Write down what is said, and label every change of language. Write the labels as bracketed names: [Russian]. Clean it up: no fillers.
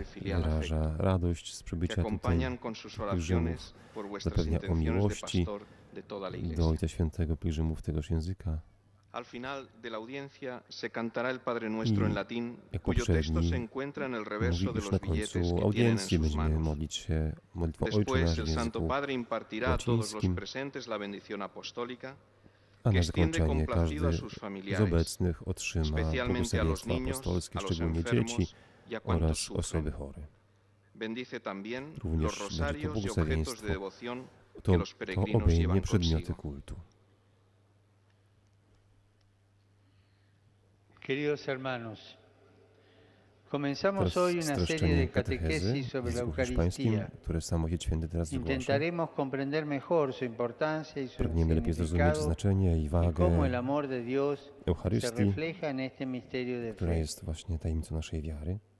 [Polish] wyraża radość z przybycia tutaj pielgrzymów, zapewnia o miłości do Ojca Świętego pielgrzymów tegoż języka. [Spanish] Al final de la audiencia se cantará el Padre Nuestro en latín, cuyo texto se encuentra en el reverso de los billetes que tienen en sus manos. Después el Santo Padre impartirá a todos los presentes la bendición apostólica, [Polish] a na zakończenie każdy z obecnych otrzyma błogosławieństwo apostolskie, szczególnie dzieci oraz osoby chore. Również będzie to błogosławieństwo, to obejmie przedmioty kultu. [Spanish] Queridos hermanos, comenzamos hoy una serie de catequesis sobre la Eucaristía. [Polish] Które sam Ojciec Święty teraz wygłosi. [Spanish] Intentaremos comprender mejor su importancia y su significado. [Polish] Lepiej zrozumieć znaczenie i wagę Eucharystii, która jest właśnie tajemnicą naszej wiary.